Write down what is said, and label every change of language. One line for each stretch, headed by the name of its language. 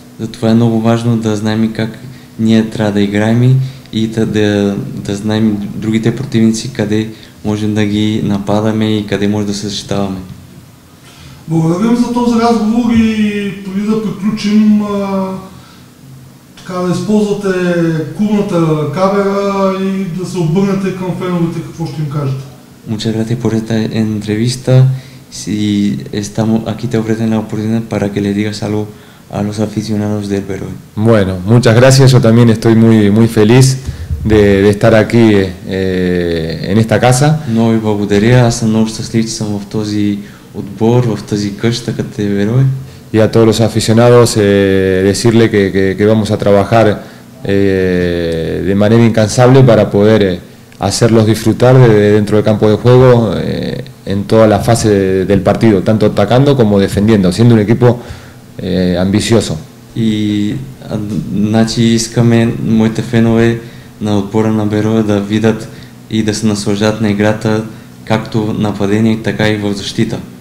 Bulgarian: Затова е много важно да знаем как ние трябва да играем и да знаем другите противници къде можем да ги нападаме и къде можем да се защитаваме. Благодарим за този разговор и преди да приключим, така да използвате клубната камера и да се обърнете към феновете, какво ще им кажете.
Spanish: Muchas gracias por esta entrevista. Si estamos aquí, te ofrecen la oportunidad para que le digas algo a los aficionados del Perú. Bueno, muchas gracias. Yo también estoy muy, muy feliz de estar aquí en esta casa. No, y
Bulgarian: благодаря. Аз съм много щастлив, че съм в този отбор, в тази къща, като Берое.
Spanish: Y a todos los aficionados decirle que vamos a trabajar de manera incansable para poder hacerlos disfrutar de dentro del campo de juego en toda la fase del partido, tanto atacando como defendiendo, siendo un equipo ambicioso.
Bulgarian: Y значи искаме моите фенове на отбора на Берое да видят и да се наслаждат на играта както в нападение, така и в защита.